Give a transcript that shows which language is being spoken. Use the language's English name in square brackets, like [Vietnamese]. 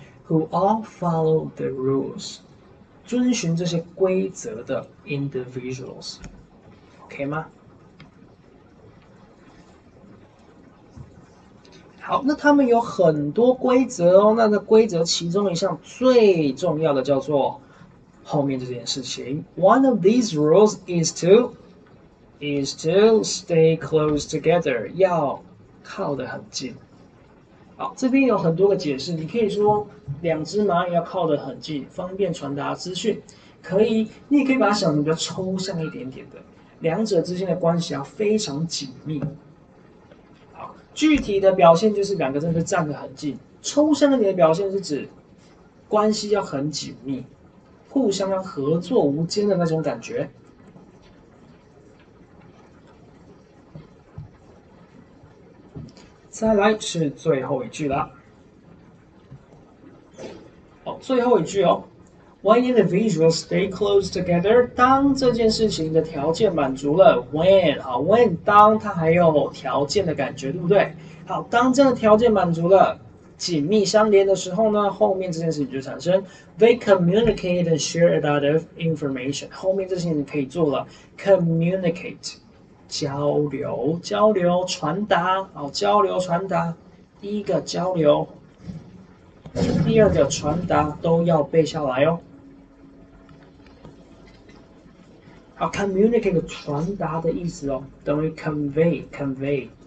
[English] Who all follow the rules？ [Chinese] 遵循这些规则的 [English] individuals，OK 吗？ [Chinese] 好，那他们有很多规则哦。那个规则其中一项最重要的叫做后面这件事情。 [English] One of these rules is to stay close together， [Chinese] 要靠得很近。好，这边有很多个解释，你可以说两只蚂蚁要靠得很近，方便传达资讯，可以，你也可以把它想得比较抽象一点点的，两者之间的关系要非常紧密。好，具体的表现就是两个真的站得很近，抽象一点的表现是指关系要很紧密，互相要合作无间的那种感觉。再来是最后一句啦。好，最后一句哦。 [English] When individuals stay close together， [Chinese] 当这件事情的条件满足了，when 啊，when 当它还有条件的感觉，对不对？好，当这个条件满足了，紧密相连的时候呢，后面这件事情就产生。 [English] They communicate and share a lot of information。 [Chinese] 后面这些你可以做了，communicate。交流，交流，传达，好，交流，传达。第一个交流，第二个传达都要背下来哦。好，communicate 传达的意思哦，等于 convey。